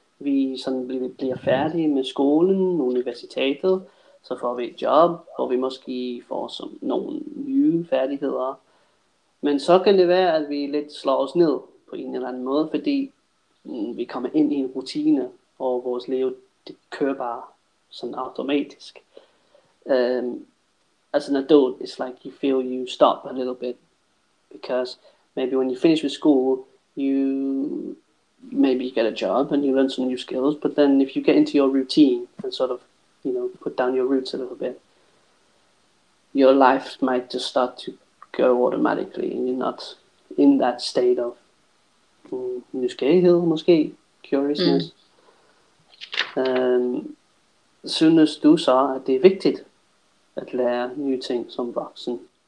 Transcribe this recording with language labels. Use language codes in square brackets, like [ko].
[da] Vi sådan bliver færdige med skolen, universitetet, så får vi et job, og vi måske får som nogle nye færdigheder. Men så kan det være, at vi lidt slår os ned på en eller anden måde, fordi vi kommer ind i en rutine, og vores liv det kører bare sådan automatisk. [en] As an adult, it's like you feel you stop a little bit, because maybe when you finish with school, you get a job and you learn some new skills, but then if you get into your routine and sort of, you know, put down your roots a little bit, your life might just start to go automatically and you're not in that state of [da] nysgerrighed, måske, [en] curiousness. [da] Synes du så, at det er vigtigt at lære nye ting som voksen?